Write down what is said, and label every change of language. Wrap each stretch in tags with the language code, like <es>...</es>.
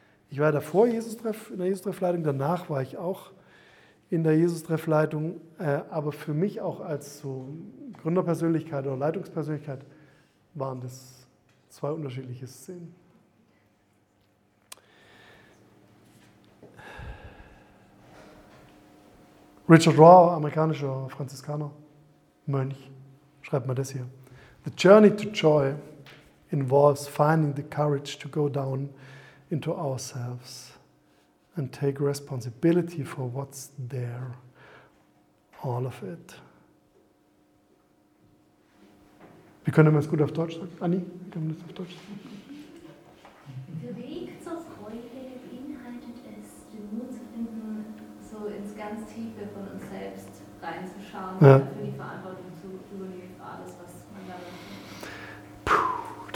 <de>Ich war davor in der Jesus-Treff-Leitung, danach war ich auch in der Jesus-Treff-Leitung, aber für mich auch als so Gründerpersönlichkeit oder Leitungspersönlichkeit waren das 2 unterschiedliche Szenen. Richard Rohr, amerikanischer Franziskaner, Mönch, schreibt mal das hier.</de> <en>The journey to joy involves finding the courage to go down into ourselves and take responsibility for what's there, all of it.</en> <de>Wie können wir das gut auf Deutsch sagen? Anni, wie können wir das auf Deutsch sagen? Der Weg zur Freude beinhaltet es, den Mut zu finden, sich so ins ganz Tiefe von uns selbst reinzuschauen, ja, für die Verantwortung zu übernehmen, für alles, was man da macht.</de>